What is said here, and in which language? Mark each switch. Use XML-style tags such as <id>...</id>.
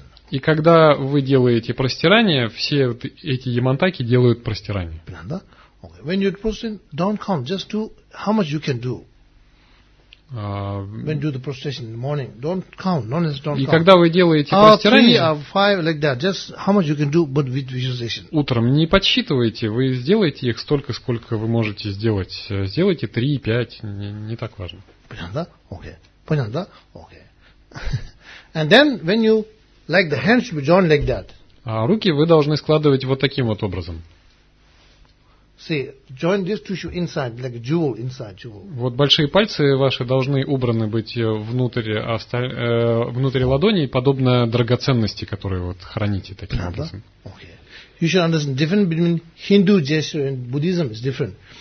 <ru>И когда вы делаете простирание, все эти Ямантаки делают простирание.</ru> <en>When you do prostration, don't count, just do how much you can do. When you do the prostration in the morning, don't count, none is don't count.</en> <ru>И когда вы делаете простирание,</ru> <en>three or five like that, just how much you can do, but with visualization.</en> <ru>Утром не подсчитывайте, вы сделаете их столько, сколько вы можете сделать. Сделайте 3, 5, не так важно. Понятно? Окей. Понятно? Окей.</ru> <en>And then when you like the hands should be joined like that.</en> <ru>А руки вы должны складывать вот таким вот образом.</ru> <en>See, join this tissue inside, like jewel inside jewel.</en> <ru>Вот большие пальцы ваши должны убраны быть внутрь ладоней, подобно драгоценности, которую вот храните таким образом.</ru> <en>Okay. You should understand difference between Hindu gesture and Buddhism is different.</en>